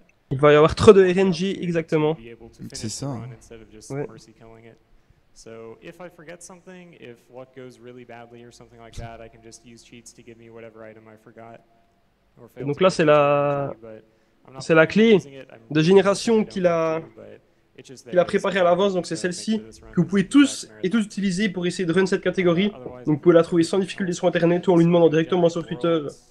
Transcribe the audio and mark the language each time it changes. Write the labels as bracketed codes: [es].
[fr] Il va y avoir trop de RNG, exactement. C'est ça. Ouais. [en] So if I forget something, if luck goes really badly or something like that, I can just use cheats to give me whatever item I forgot. [fr] Et donc là, c'est la clé de génération qu'il a préparée à l'avance. Donc c'est celle-ci que vous pouvez tous et toutes utiliser pour essayer de run cette catégorie. Donc vous pouvez la trouver sans difficulté sur Internet ou en lui demandant directement sur Twitter.